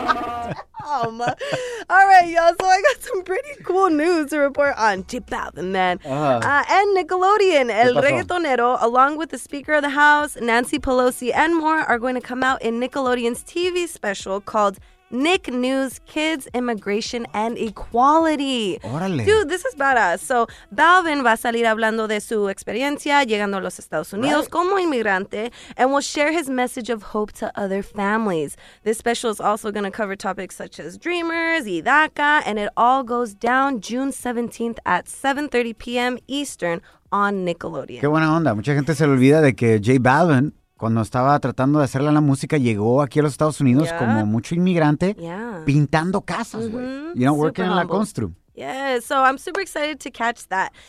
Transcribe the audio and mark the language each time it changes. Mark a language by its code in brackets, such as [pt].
[en] All right, y'all. So I got some pretty cool news to report on Chip Out the Man. And Nickelodeon, El Reggaetonero, along with the Speaker of the House, Nancy Pelosi, and more, are going to come out in Nickelodeon's TV special called Nick News, Kids, Immigration, and Equality. [es] Orale. [en] Dude, this is badass. [es] So Balvin va a salir hablando de su experiencia llegando a los Estados Unidos right. como inmigrante [en] and will share his message of hope to other families. This special is also going to cover topics such as Dreamers, y DACA, and it all goes down June 17th at 7:30 p.m. Eastern on Nickelodeon. [es] Qué buena onda. Mucha gente se le olvida de que J Balvin... cuando estaba tratando de hacerle la música, llegó aquí a los Estados Unidos como mucho inmigrante pintando casas, güey. [en] You know, working in [es] la constru. [en] Yeah, so I'm super excited to catch that.